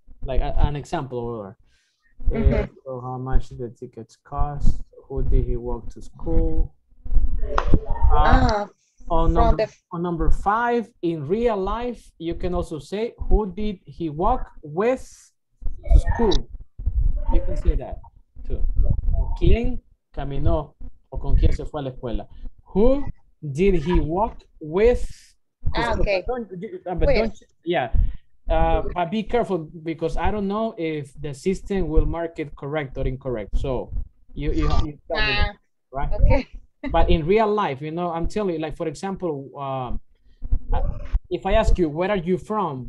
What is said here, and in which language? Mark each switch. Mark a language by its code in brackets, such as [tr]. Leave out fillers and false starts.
[en] Like an example or mm-hmm. So how much did the tickets cost? Who did he walk to school? On number 5, in real life, you can also say, who did he walk with to school? You can say that too. [es] ¿Quién caminó o con quién se fue a la escuela? [en] Who did he walk with? But be careful because I don't know if the system will mark it correct or incorrect. So you tell me that, right? Okay. But in real life, you know, I'm telling you, like, for example, if I ask you, where are you from?